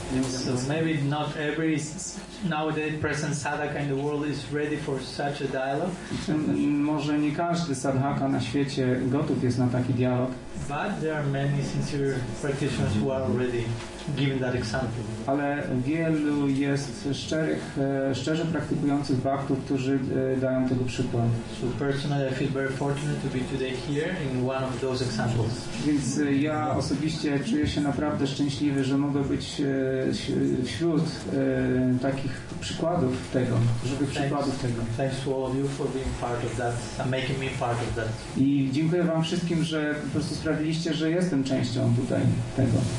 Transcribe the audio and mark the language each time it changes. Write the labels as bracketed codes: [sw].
[en] So maybe not every nowadays present sadhaka in the world is ready for such a dialogue. [pl] Może nie każdy sadhaka na świecie gotów jest na taki dialog. [en] But there are many sincere practitioners who are ready. Given that example. [pl] Ale wielu jest szczerze praktykujących bhaktów, którzy dają tego przykład. [en] So personally I feel very fortunate to be today here in one of those examples. [pl] Więc ja osobiście czuję się naprawdę szczęśliwy, że mogę być wśród takich przykładów tego, [en] Thanks to all of you for being part of that and making me part of that. [pl] I dziękuję wam wszystkim, że po prostu sprawiliście, że jestem częścią tutaj tego.